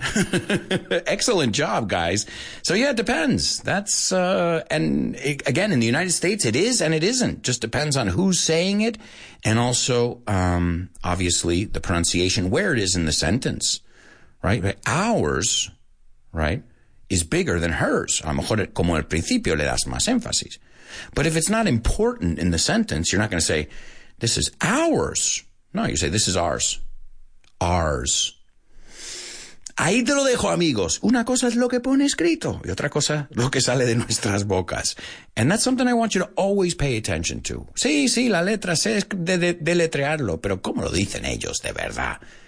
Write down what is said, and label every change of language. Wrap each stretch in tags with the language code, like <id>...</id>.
<en>Excellent job, guys. So, yeah, it depends. That's, again, in the United States, it is and it isn't. Just depends on who's saying it. And also, obviously, the pronunciation, where it is in the sentence, right? But ours, right, is bigger than hers.</en> <es>A lo mejor, como al principio, le das más énfasis.</es> <en>But if it's not important in the sentence, you're not going to say, this is ours. No, you say, this is ours. Ours.</en> <es>Ahí te lo dejo, amigos. Una cosa es lo que pone escrito, y otra cosa, lo que sale de nuestras bocas.</es> <en>And that's something I want you to always pay attention to.</en> <es>Sí, sí, la letra C es deletrearlo, pero ¿cómo lo dicen ellos de verdad?</es>